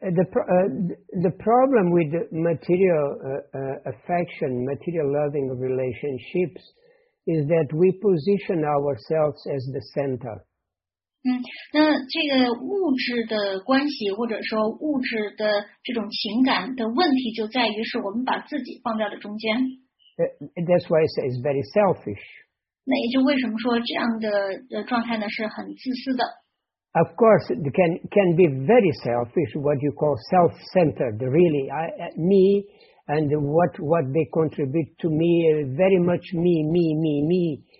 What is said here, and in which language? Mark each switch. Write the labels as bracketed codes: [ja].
[en] The problem with material affection, material loving relationships, is that we position ourselves as the center. [zh] 那这个物质的关系或者说物质的这种情感的问题就在于是我们把自己放在了中间。 [en] That's why I say it's very selfish. [zh] 那也就为什么说这样的状态呢是很自私的。 [en] Of course, it can be very selfish, what you call self-centered, really. Me and what they contribute to me, very much me.